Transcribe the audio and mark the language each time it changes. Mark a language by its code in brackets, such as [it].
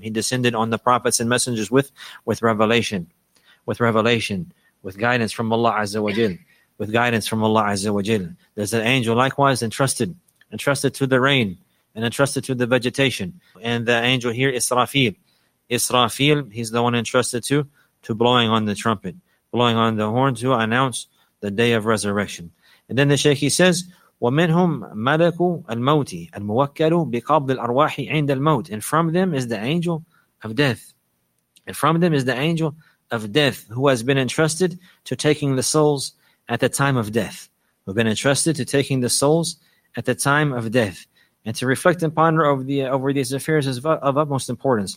[en] He descended on the prophets and messengers with revelation, with guidance from Allah Azza wa Jal, with guidance from Allah Azza wa Jal. There's an angel likewise entrusted to the rain and entrusted to the vegetation. And the angel here, Israfil, he's the one entrusted to blowing on the trumpet, blowing on the horn to announce the day of resurrection. And then the Shaykh, he says, [ar] وَمِنْهُمْ مَلَكُ الْمَوْتِ الْمُوَكَّلُ بِقَبْضِ الْأَرْوَاحِ عِنْدَ الْمَوْتِ. [en] And from them is the angel of death. And from them is the angel of death who has been entrusted to taking the souls at the time of death. Who have been entrusted to taking the souls at the time of death. And to reflect and ponder over these affairs is of utmost importance.